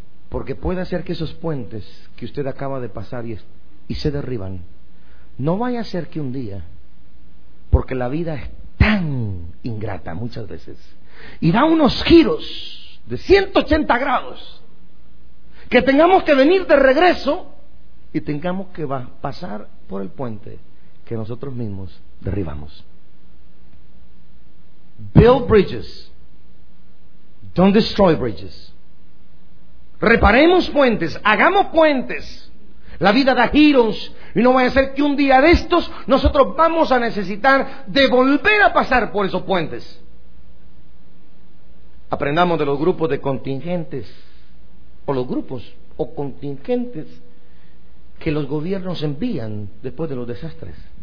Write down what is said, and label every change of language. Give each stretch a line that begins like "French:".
Spanish: Porque puede ser que esos puentes que usted acaba de pasar y se derriban, no vaya a ser que un día, porque la vida es tan ingrata muchas veces y da unos giros de 180 grados, que tengamos que venir de regreso y tengamos que pasar por el puente que nosotros mismos derribamos.
English: Build bridges, don't destroy bridges.
Spanish: Reparemos puentes, hagamos puentes. La vida da giros y no vaya a ser que un día de estos nosotros vamos a necesitar de volver a pasar por esos puentes. Aprendamos de los grupos de contingentes, o los grupos o contingentes que los gobiernos envían después de los desastres.